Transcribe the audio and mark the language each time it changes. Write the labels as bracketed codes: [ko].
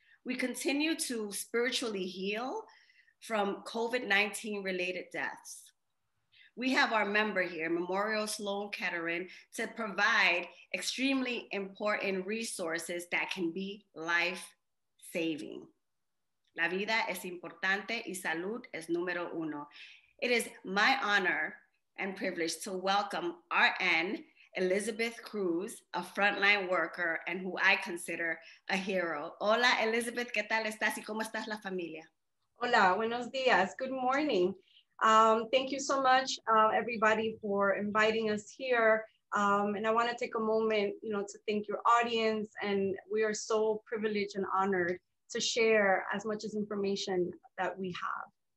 [en] We continue to spiritually heal from COVID-19 related deaths. We have our member here, Memorial Sloan Kettering, to provide extremely important resources that can be life-saving. [es] La vida es importante y salud es número uno. [en] It is my honor and privilege to welcome RN Elizabeth Cruz, a frontline worker and who I consider a hero. [es] Hola, Elizabeth, ¿qué tal estás y cómo estás la familia? Hola, buenos días, [en] good morning. Thank you so much, everybody, for inviting us here. And I want to take a moment, you know, to thank your audience. And we are so privileged and honored to share as much as information that we have.